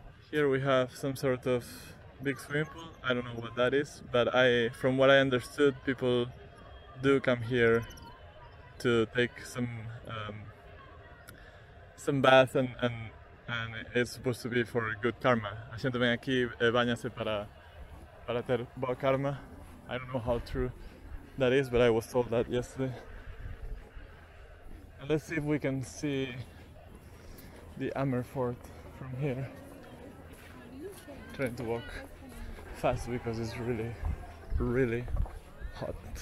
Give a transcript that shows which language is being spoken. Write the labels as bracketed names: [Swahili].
[English] Here we have some sort of big swimming pool. I don't know what that is, but from what I understood, people do come here to take some bath, and it's supposed to be for good karma. [Spanish] La gente viene aquí y bañase para tener buen karma. [English] I don't know how true that is, but I was told that yesterday. Let's see if we can see the Nahagarh Fort from here. Trying to walk fast because it's really, really hot.